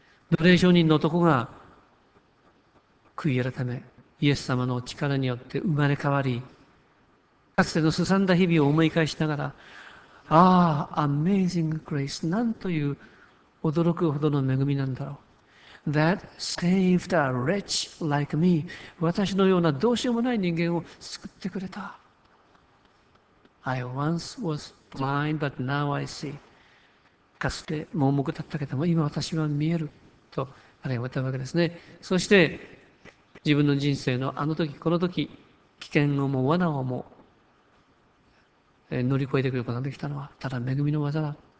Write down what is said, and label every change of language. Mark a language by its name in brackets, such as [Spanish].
[Japanese] 奴隷商人の男が悔い改め、イエス様の力によって生まれ変わり、かつてのすさんだ日々を思い返しながら、ああ、アメージング・グレイス、なんという驚くほどの恵みなんだろう。 [English] That saved a wretch like me. [Japanese] 私のようなどうしようもない人間を救ってくれた。 [English] I once was blind, but now I see. [Japanese] かつて盲目だったけども、今私は見える。と、あれを歌うわけですね。そして、自分の人生のあの時、この時、危険をも罠をも、乗り越えていくことができたのは、ただ恵みの技だ。